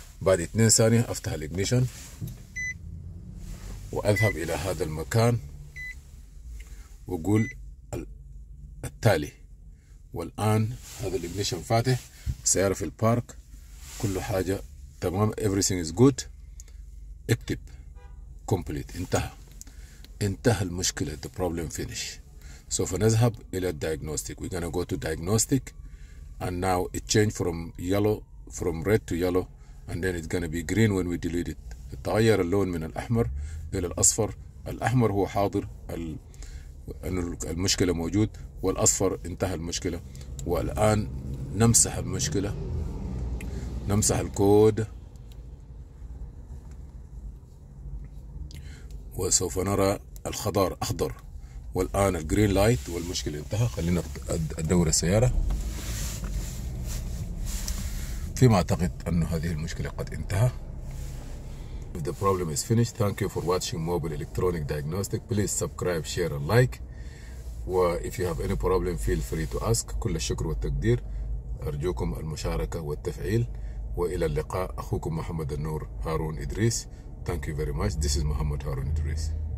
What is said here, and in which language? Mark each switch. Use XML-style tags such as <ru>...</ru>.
<ar>بعد 2 ثانية أفتح الإجنيشن وأذهب إلى هذا المكان وأقول التالي. والآن هذا الإجنيشن فاتح، سيارة في البارك، كل حاجة تمام،</ar> <en>everything is good.</en> <ar>اكتب complete، انتهى، انتهى المشكلة،</ar> <en>the problem finish.</en> <ar>سوف نذهب إلى الدياجنوستيك،</ar> <en>we're gonna go to diagnostic and now it changed from yellow, from red to yellow, and then it's gonna be green when we delete it.</en> <ar>تغير اللون من الأحمر إلى الأصفر. الأحمر هو حاضر أن المشكلة موجود، والأصفر انتهى المشكلة. والآن نمسح المشكلة، نمسح الكود، وسوف نرى الخضار أخضر. والآن الجرين لايت والمشكلة انتهى. خلينا ندور السيارة. فيما أعتقد أن هذه المشكلة قد انتهى.</ar> <en>If the problem is finished, thank you for watching Mobile Electronic Diagnostic. Please subscribe, share and like. If you have any problem, feel free to ask.</en> <ar>كل الشكر والتقدير. أرجوكم المشاركة والتفعيل. وإلى اللقاء. أخوكم</ar> <en>محمد النور هارون إدريس. Thank you very much. This is Muhammad Harun Idris.</en>